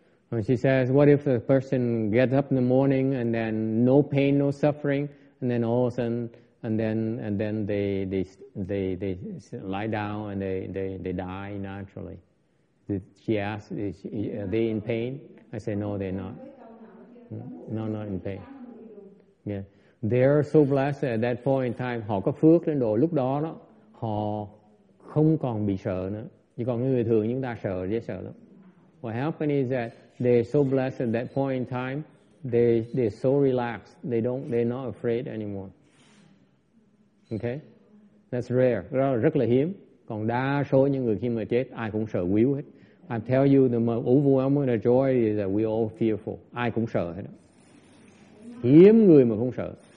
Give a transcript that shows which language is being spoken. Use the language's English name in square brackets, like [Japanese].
[English] When she says, what if the person gets up in the morning and then no pain, no suffering, and then all of a sudden, and then they lie down and they die naturally? Did she ask, are they in pain? I say, no, they're not. No, not in pain. Yeah. They are so blessed at that point in time. [Vietnamese] Họ có phước lên rồi. Lúc đó, đó họ không còn bị sợ nữa. Chỉ còn người thường chúng ta sợ, dễ sợ lắm. [English] What happened is that they are so blessed at that point in time. They are so relaxed. They're not afraid anymore. Okay, that's rare. [Vietnamese] Đó là rất là hiếm. Còn đa số những người khi mà chết, ai cũng sợ quýu hết. [English] I tell you the most overwhelming joy is that we all fearful. [Vietnamese] Ai cũng sợ hết. Hiếm người mà không sợ.